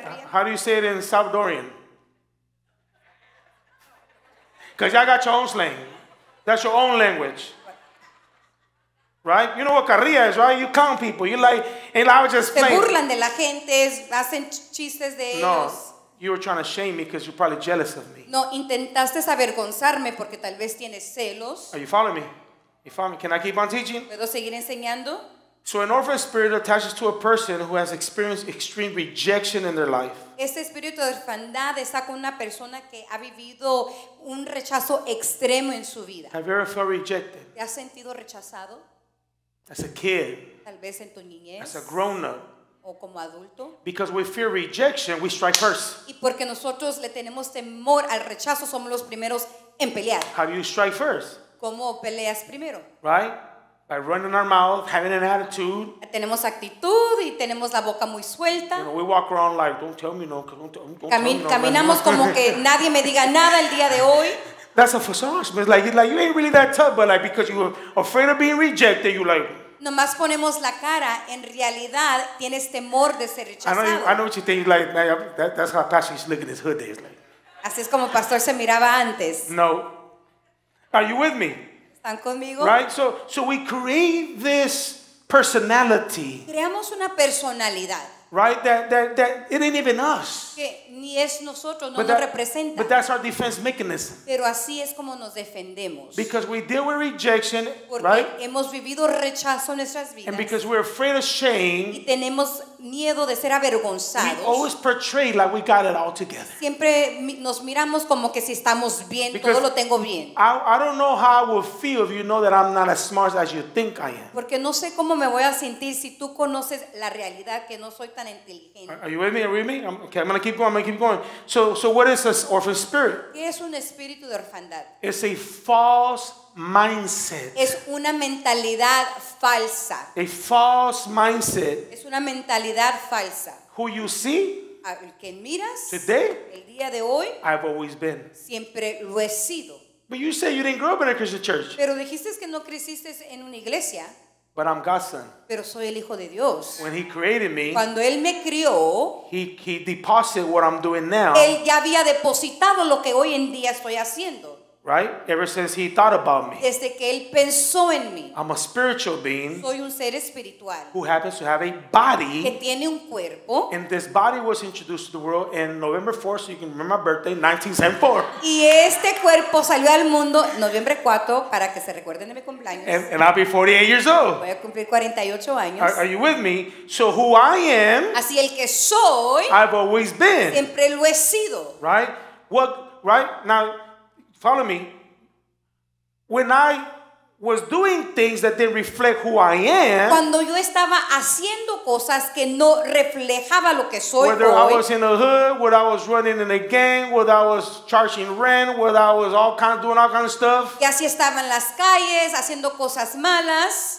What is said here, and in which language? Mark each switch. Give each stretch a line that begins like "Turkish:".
English: How do you say it in Salvadorian? Because y'all got your own slang. That's your own language. Right? You know what carrilla is, right? You clown people. You like, and I was just playing.
Spanish: Se burlan de la gente, hacen chistes de ellos.
English: No, you were trying to shame me because you're probably jealous of me.
Spanish: No, intentaste avergonzarme porque tal vez tienes celos.
English: Are you following me? You follow me? Can I keep on teaching?
Spanish: ¿Puedo seguir enseñando?
English: So an orphan spirit attaches to a person who has experienced extreme rejection in their life.
Spanish: Este espíritu de orfandad está con una persona que ha vivido un rechazo extremo en su vida.
English: Have you ever felt rejected?
Spanish: ¿Te has sentido rechazado?
English: As a kid.
Spanish: Tal vez en tu niñez.
English: As a grown up.
Spanish: O como adulto.
English: Because we fear rejection, we strike first.
Spanish: Y porque nosotros le tenemos temor al rechazo, somos los primeros en pelear.
English: How do you strike first?
Spanish: ¿Cómo peleas primero?
English: Right? By running our mouth, having an attitude.
Spanish: Tenemos actitud y tenemos la boca muy suelta.
English: You know, we walk around like, don't tell me no. Don't tell me no.
Spanish: Caminamos como que nadie me diga nada el día de hoy.
English: That's a facade. It's like you ain't really that tough, but like because you're afraid of being rejected, you like.
Spanish: Nomás ponemos la cara. En realidad, tienes temor de ser rechazado.
English: I know what you think. Like that's how Pastor is looking his hood days. Like.
Spanish: Así es como Pastor se miraba antes.
English: No. Are you with me? Right, so we create this personality.
Spanish: Creamos una personalidad.
English: Right, that it ain't even us.
Spanish: Que ni es nosotros, no nos representa.
English: But that's our defense mechanism.
Spanish: Pero así es como nos defendemos.
English: Because we deal with rejection,
Spanish: porque
English: right?
Spanish: Hemos vivido rechazo en nuestras vidas.
English: And because we're afraid of shame.
Spanish: Y tenemos miedo de ser avergonzados.
English: We always portray like we got it all together.
Spanish: Siempre nos miramos como que si estamos bien, todo lo tengo bien.
English: I don't know how I will feel if you know that I'm not as smart as you think I am.
Spanish: Porque no sé cómo me voy a sentir si tú conoces la realidad que no soy tan inteligente.
English: Are you with me? Are you with me? Okay, I'm gonna keep going. So what is this orphan spirit?
Spanish: ¿Qué es un espíritu de orfandad?
English: It's a false mindset.
Spanish: Es una mentalidad falsa.
English: A false mindset.
Spanish: Es una mentalidad falsa.
English: Who you see?
Spanish: Al que miras.
English: Today.
Spanish: El día de hoy.
English: I've always been.
Spanish: Siempre lo he sido.
English: But you say you didn't grow up in a Christian church.
Spanish: Pero dijiste que no creciste en una iglesia.
English: But I'm God's son.
Spanish: Pero soy el hijo de Dios.
English: When he created me,
Spanish: cuando él me crió,
English: he deposited what I'm doing now.
Spanish: Él ya había depositado lo que hoy en día estoy haciendo.
English: Right? Ever since he thought about me.
Spanish: Desde que él pensó en mí.
English: I'm a spiritual being.
Spanish: Soy un ser espiritual.
English: Who happens to have a body.
Spanish: Que tiene un cuerpo.
English: And this body was introduced to the world in November 4th, so you can remember my birthday, 1974.
Spanish: Y este cuerpo salió al mundo noviembre 4 para que se recuerden de mi cumpleaños.
English: And I'll be 48 years old.
Spanish: Voy a cumplir 48 años.
English: Are you with me? So who I am.
Spanish: Así el que soy.
English: I've always been.
Spanish: Siempre lo he sido.
English: Right? What? Right? Now, follow me. When I was doing things that didn't reflect who I am.
Spanish: Cuando yo estaba haciendo cosas que no reflejaba lo que soy
English: whether
Spanish: hoy.
English: Whether I was in the hood, whether I was running in a gang, whether I was charging rent, whether I was all kind of doing all kind of stuff.
Spanish: Y así estaba en las calles haciendo cosas malas.